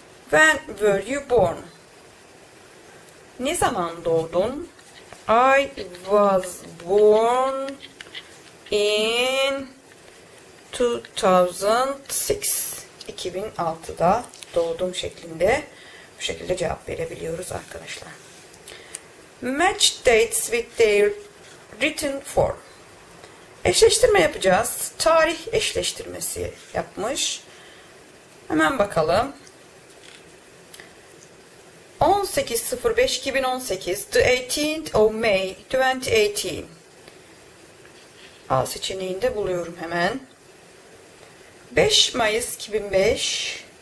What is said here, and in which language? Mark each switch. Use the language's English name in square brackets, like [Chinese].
[English] When were you born? [Turkish] Ne zaman doğdun? [English] I was born in 2006. [Turkish] 2006'da doğdum şeklinde bu şekilde cevap verebiliyoruz arkadaşlar. [English] Match dates with their written form. [Turkish] Eşleştirme yapacağız. Tarih eşleştirmesi yapmış. Hemen bakalım. [English] 18.05.2018, the 18th of May 2018. [Turkish] A seçeneğinde buluyorum hemen. 5 Mayıs 2005.